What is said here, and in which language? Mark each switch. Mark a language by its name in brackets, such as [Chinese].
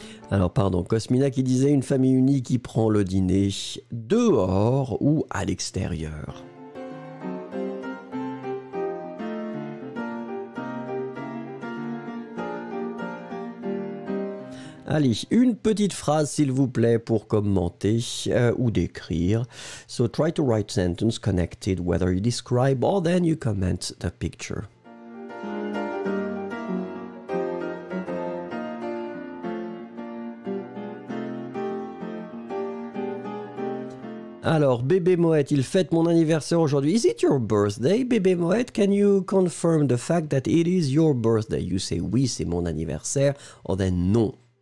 [French] Alors pardon, Cosmina qui disait, une famille unie qui prend le dîner dehors ou à l'extérieur. Allez, une petite phrase, s'il vous plaît, pour commenter ou décrire. [English] So try to write sentence connected, whether you describe or then you comment the picture. [French] Alors, Bébé Moët, il fête mon anniversaire aujourd'hui. [English] Is it your birthday, Bébé Moët? Can you confirm the fact that it is your birthday? You say [French] oui, c'est mon anniversaire, [English] or then non.